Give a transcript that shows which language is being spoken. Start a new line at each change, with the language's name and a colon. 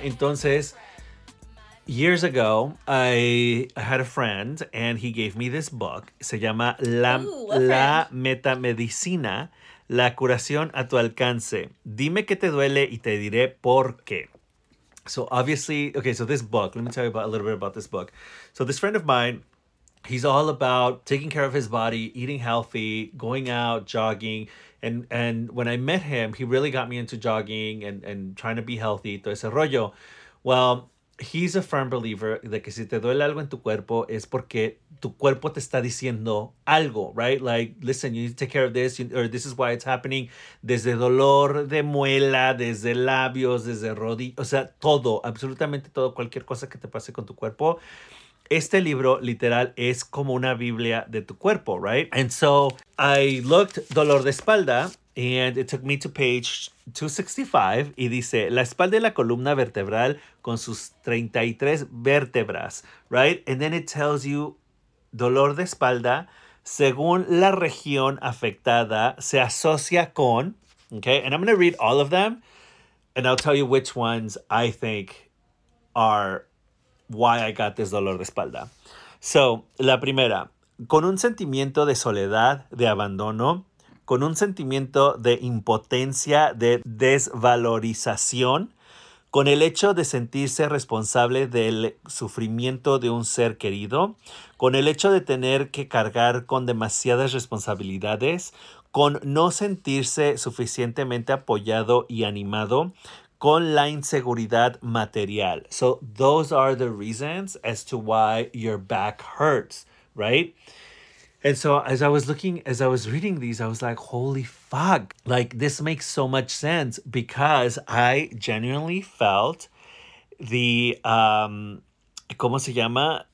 English: Entonces, years ago, I had a friend and he gave me this book.
Spanish: Se llama La Metamedicina, La Curación a Tu Alcance. Dime qué te duele y te diré por qué.
English: So obviously, okay, so this book, let me tell you a little bit about this book. So this friend of mine, he's all about taking care of his body, eating healthy, going out, jogging. And when I met him, he really got me into jogging and trying to be healthy.
Spanish: Todo ese rollo.
English: Well, he's a firm believer that
Spanish: que si te duele algo en tu cuerpo es porque tu cuerpo te está diciendo algo, right?
English: Like, listen, you need to take care of this, or this is why it's happening.
Spanish: Desde dolor de muela, desde labios, desde rodillas, o sea, todo, absolutamente todo, cualquier cosa que te pase con tu cuerpo. Este libro, literal, es como una Biblia de tu cuerpo, right?
English: And so I looked
Spanish: dolor de espalda,
English: and it took me to page 265,
Spanish: y dice, la espalda y la columna vertebral con sus 33 vértebras, right?
English: And then it tells you
Spanish: dolor de espalda según la región afectada se asocia con, okay?
English: And I'm going to read all of them, and I'll tell you which ones I think are why I got this
Spanish: dolor de espalda. So, la primera, con un sentimiento de soledad, de abandono, con un sentimiento de impotencia, de desvalorización, con el hecho de sentirse responsable del sufrimiento de un ser querido, con el hecho de tener que cargar con demasiadas responsabilidades, con no sentirse suficientemente apoyado y animado, con la inseguridad material.
English: So those are the reasons as to why your back hurts, right? And so as I was reading these, I was like, holy fuck. Like, this makes so much sense because I genuinely felt the,
Spanish: ¿cómo se llama?